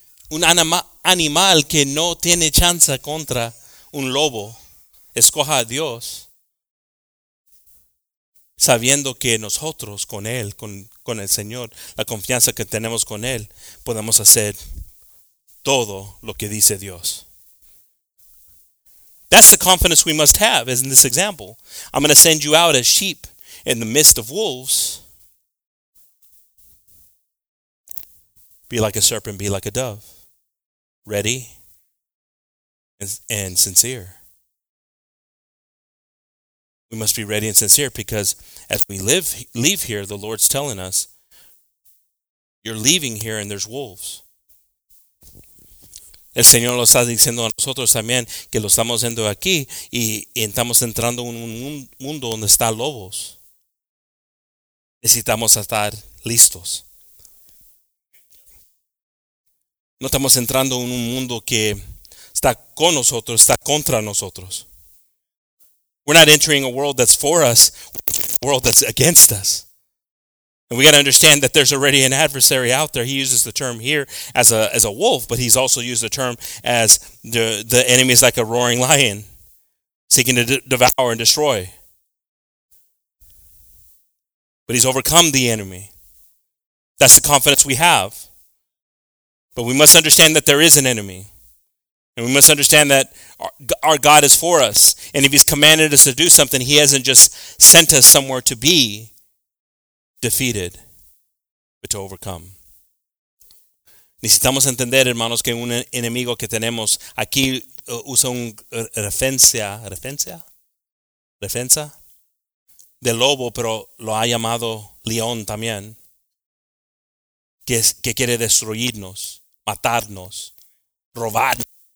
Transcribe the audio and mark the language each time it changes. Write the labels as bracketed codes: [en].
[es] Un animal que no tiene chance contra un lobo, escoja a Dios, sabiendo que nosotros con Él, con el Señor, la confianza que tenemos con Él, podemos hacer todo lo que dice Dios. [en] That's the confidence we must have, as in this example. I'm going to send you out as sheep in the midst of wolves. Be like a serpent, be like a dove. Ready and sincere. We must be ready and sincere because as we leave here, the Lord's telling us, you're leaving here and there's wolves. [es] El Señor lo está diciendo a nosotros también que lo estamos viendo aquí y estamos entrando en un mundo donde están lobos. Necesitamos estar listos. No estamos entrando en un mundo que está con nosotros, está contra nosotros. [en] We're not entering a world that's for us, a world that's against us. And we got to understand that there's already an adversary out there. He uses the term here as a wolf, but he's also used the term as the enemy is like a roaring lion seeking to devour and destroy. But he's overcome the enemy. That's the confidence we have. But we must understand that there is an enemy. And we must understand that our God is for us. And if he's commanded us to do something, he hasn't just sent us somewhere to be defeated, but to overcome. [es] Necesitamos entender, hermanos, que un enemigo que tenemos aquí usa una defensa. de lobo, pero lo ha llamado león también, que quiere destruirnos, matarnos, robarnos.